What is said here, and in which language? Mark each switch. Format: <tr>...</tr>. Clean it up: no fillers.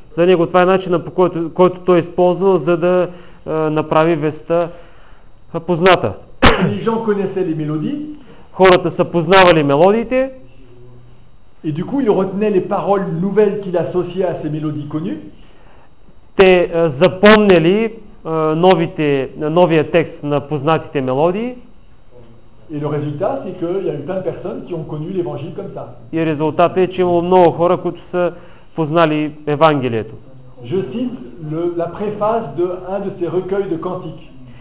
<bg>За него това е начинът, по който, който той е използвал, за да направи веста позната.</bg> <fr>Les gens connaissaient les mélodies.</fr> <bg>Хората са познавали мелодиите.</bg> <fr>Et du coup, il retenait les paroles nouvelles qu'il associait à ces mélodies connues.</fr> <bg>Те запомняли новия текст на познатите мелодии.</bg> <fr>Et le résultat, c'est qu'il y a eu plein de personnes qui ont connu l'Évangile comme ça.</fr> <bg>И резултатът е, че имало много хора, които са познали Евангелието.</bg> <fr>Je cite la préface de un de ces recueils de cantiques.</fr>